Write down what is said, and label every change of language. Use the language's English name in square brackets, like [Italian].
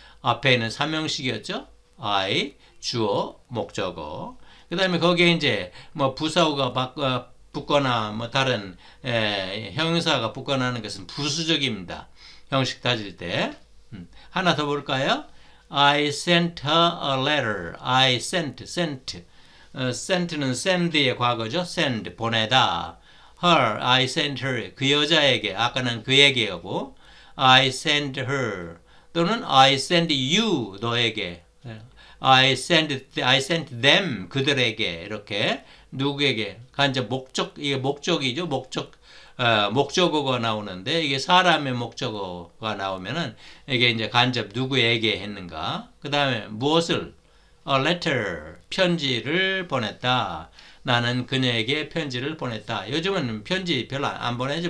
[Korean] 앞에 있는 3형식이었죠? I 주어 목적어 그다음에 거기에 이제 뭐 부사어가 바꿔 붙거나 뭐 다른 형용사가 붙거나 하는 것은 부수적입니다. 형식 따질 때 하나 더 볼까요? [English] I sent her a letter. [Korean] I sent는 send의 과거죠. send 보내다. [English] I sent her [Korean] 그 여자에게 아까는 그에게 하고 I sent her 또는 [English] I sent you [Korean] 너에게 [English] I sent them [Korean] 그들에게 이렇게. 누구에게? 간접 목적, 이게 목적이죠? 목적어가 나오는데, 이게 사람의 목적어가 나오면은, 이게 이제 간접 누구에게 했는가? 그 다음에 무엇을? [English] A letter. [Korean] 편지를 보냈다. 나는 그녀에게 편지를 보냈다. 요즘은 편지 별로 안 보내지.